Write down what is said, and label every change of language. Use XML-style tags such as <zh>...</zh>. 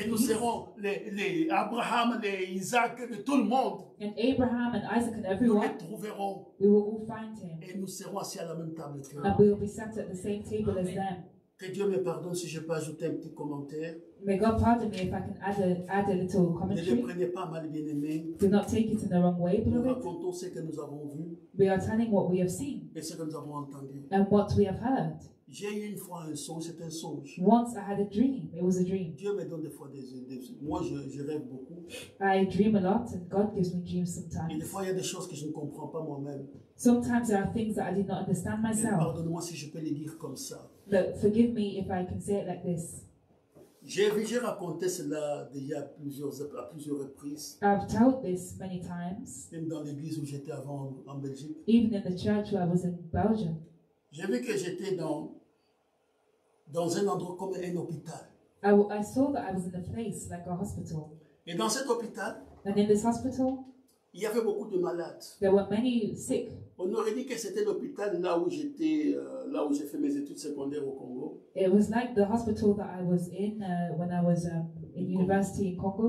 <fr>Et nous serons les Abraham, les Isaac, tout le monde.</fr> <en>And Abraham and Isaac and everyone.</en> <fr>Nous les trouverons.</fr> <en>We will all find him.</en> <fr>Et nous serons assis à la même table que.</fr> <en>And we will be sat at the same table as them.</en> <fr>Que Dieu me pardonne si je peux ajouter un petit commentaire.</fr> <en>May God pardon me if I can add a little commentary.</en> <fr>Ne le prenez pas mal, bien aimé.</fr> <en>Do not take it in the wrong way, beloved.</en> <fr>Nous racontons ce que nous avons vu.</fr> <en>We are telling what we have seen.</en> <fr>Et ce que nous avons entendu.</fr> <en>And what we have heard.</en> <fr>J'ai eu une fois un songe, c'était un songe.</fr> <en>Once I had a dream, it was a dream.</en> <fr>Dieu me donne des fois des moi je rêve beaucoup.</fr> <en>I dream a lot and God gives me dreams sometimes.</en> <fr>Et des fois il y a des choses que je ne comprends pas moi-même.</fr> <en>Sometimes there are things that I did not understand myself.</en> <fr>Pardonne-moi si je peux les dire comme ça.</fr> <en>Look, forgive me if I can say it like this.</en> <fr>J'ai raconté cela déjà à plusieurs reprises.</fr> <en>I've told this many times.</en> <fr>Même dans l'église où j'étais avant en Belgique.</fr> <en>Even in the church where I was in Belgium.</en> <fr>J'ai vu que j'étais dans un endroit comme un hôpital.</fr> <en>I saw that I was in a place like a hospital.</en> <fr>Et dans cet hôpital,</fr> <en>and in this hospital,</en> <fr>il y avait beaucoup de malades.</fr> <en>There were many sick.</en> <fr>On aurait dit que c'était l'hôpital là où j'étais, là où j'ai fait mes études secondaires au Congo.</fr> <en>It was like the hospital that I was in when I was in university in Congo.</en>